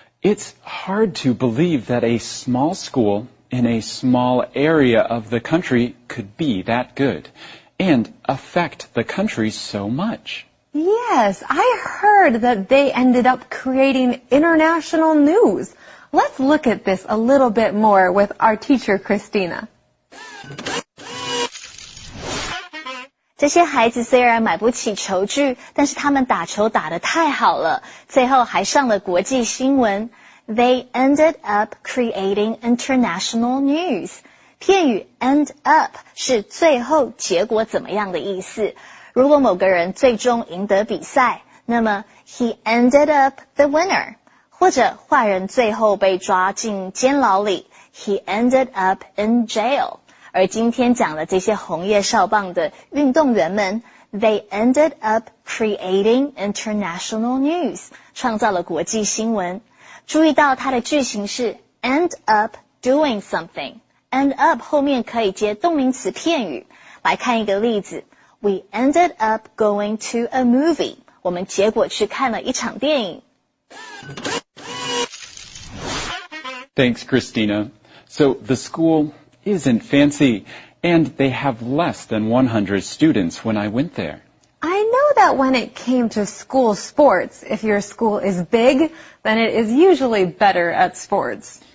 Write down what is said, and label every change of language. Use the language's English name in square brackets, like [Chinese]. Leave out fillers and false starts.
[English] It's hard to believe that a small school in a small area of the country could be that good and affect the country so much. Yes, I heard that they ended up creating international news. Let's look at this a little bit more with our teacher, Christina. [Chinese] 这些孩子虽然买不起球具，但是他们打球打得太好了，最后还上了国际新闻。 [English] They ended up creating international news. [Chinese] 片语 end up 是最后结果怎么样的意思。如果某个人最终赢得比赛，那么 [English] he ended up the winner. [Chinese] 或者坏人最后被抓进监牢里， [English] he ended up in jail. [Chinese] 而今天讲的这些红叶少棒的运动员们 [English] They ended up creating international news [Chinese] 创造了国际新闻注意到它的句型是 [English] end up doing something end up [Chinese] 后面可以接动名词片语来看一个例子 [English] We ended up going to a movie [Chinese] 我们结果去看了一场电影 [English] Thanks Christina So the schoolisn't fancy, and they have less than 100 students when I went there. I know that when it came to school sports, if your school is big, then it is usually better at sports.